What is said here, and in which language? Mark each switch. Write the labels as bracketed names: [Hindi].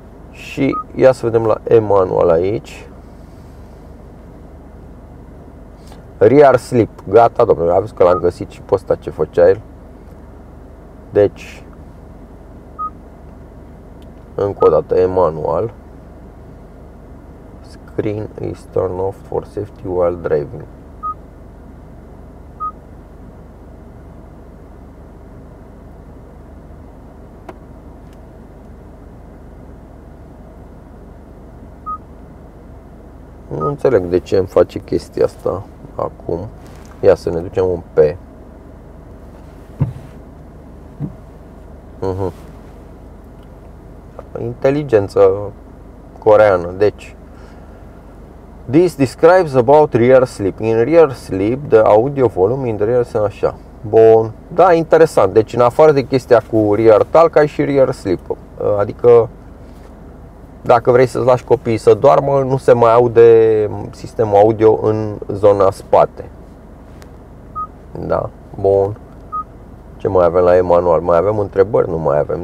[Romanian] Și ia să vedem la e-manual aici. Rear sleep, gata, domnule, a văzut că l-am găsit și pe ăsta ce făcea el. Deci, încă o dată, e-manual. [English] Screen is turned off for safety while driving. [Romanian] Nu înțeleg de ce îmi face chestia asta acum. Ia să ne ducem un P. Inteligență coreană. Deci, [English] this describes about rear sleep. In rear sleep, the audio volume in the rear [Romanian] sunt așa. Bun. Da, interesant. Deci, în afară de chestia cu rear talk, ai și rear sleep. Adică, dacă vrei să-ți lași copiii să doarmă, nu se mai aude sistemul audio în zona spate. Da, bun. Ce mai avem la e-manual? Mai avem întrebări? Nu mai avem.